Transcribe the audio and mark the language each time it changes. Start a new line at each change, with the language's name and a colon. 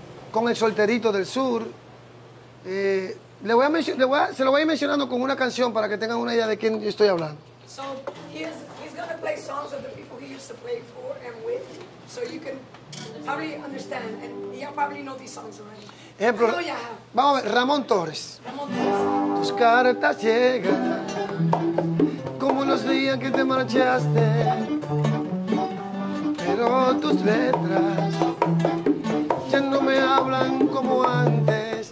Spanish: Con el Solterito del Sur. Se lo voy a ir mencionando con una canción para que tengan una idea de quién estoy hablando.
English: So he's gonna play songs of the people he used to play for and with, so you can probably understand and you probably know these songs already.
Spanish: Ejemplo, vamos a ver, Ramón Torres. Tus cartas llegan como los días que te marchaste, pero tus letras ya no me hablan como antes.